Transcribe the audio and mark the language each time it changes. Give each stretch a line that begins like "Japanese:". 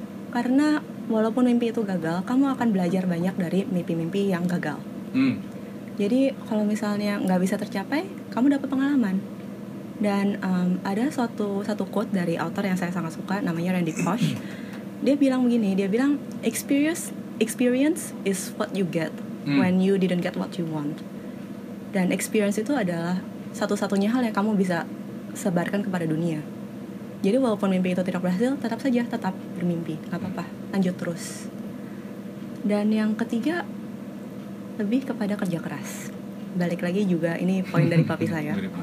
Indonesian: Karena walaupun mimpi itu gagal, kamu akan belajar banyak dari mimpi-mimpi yang gagal. Jadi kalau misalnya gak bisa tercapai, kamu dapat pengalaman. Dan ada satu quote dari author yang saya sangat suka, namanya Randy Koch.
English: Dia bilang begini, dia bilang experience is what you get when you didn't get what you want.
Indonesian: Dan experience itu adalah satu-satunya hal yang kamu bisa sebarkan kepada dunia. Jadi walaupun mimpi itu tidak berhasil, tetap saja, tetap bermimpi, gak apa-apa, lanjut terus. Dan yang ketiga, lebih kepada kerja keras. Balik lagi juga, ini poin dari papi saya.